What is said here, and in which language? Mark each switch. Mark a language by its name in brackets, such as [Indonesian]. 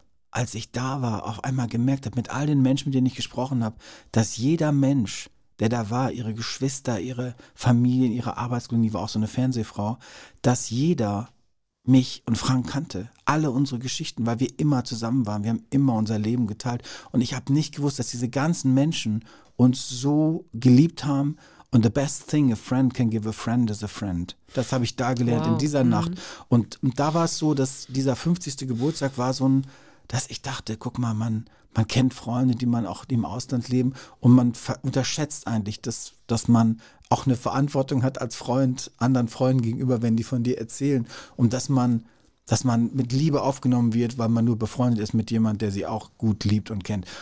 [German] als ich da war, auf einmal gemerkt habe, mit all den Menschen, mit denen ich gesprochen habe, dass jeder Mensch, der da war, ihre Geschwister, ihre Familien, ihre Arbeitskollegen, die war auch so eine Fernsehfrau, dass jeder mich und Frank kannte, alle unsere Geschichten, weil wir immer zusammen waren, wir haben immer unser Leben geteilt und ich habe nicht gewusst, dass diese ganzen Menschen uns so geliebt haben. [English] Und the best thing a friend can give a friend is a friend. [German] Das habe ich da gelernt, wow, in dieser Nacht. Und da war es so, dass dieser 50. Geburtstag war so ein, dass ich dachte, guck mal, man kennt Freunde, die man auch im Ausland leben und man unterschätzt eigentlich, dass man auch eine Verantwortung hat als Freund, anderen Freunden gegenüber, wenn die von dir erzählen und dass man mit Liebe aufgenommen wird, weil man nur befreundet ist mit jemandem, der sie auch gut liebt und kennt.